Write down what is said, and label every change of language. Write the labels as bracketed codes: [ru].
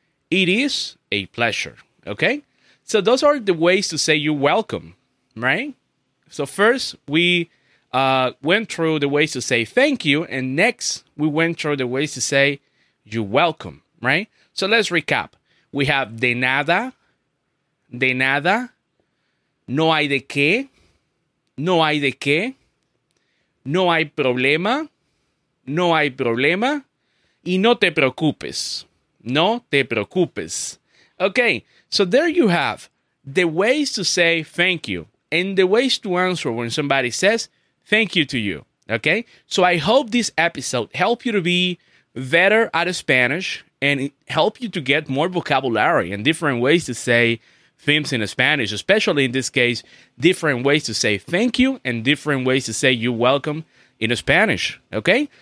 [en] It is a pleasure. Okay? So those are the ways to say you're welcome. Right? So first, we went through the ways to say thank you, and next, we went through the ways to say you're welcome, right? So let's recap. We have [es] de nada, no hay de qué, no hay de qué, no hay problema, y no te preocupes, no te preocupes. [en] Okay, so there you have the ways to say thank you. And the ways to answer when somebody says thank you to you, okay? So I hope this episode helped you to be better at Spanish and help you to get more vocabulary and different ways to say things in Spanish, especially in this case, different ways to say thank you and different ways to say you're welcome in Spanish, okay?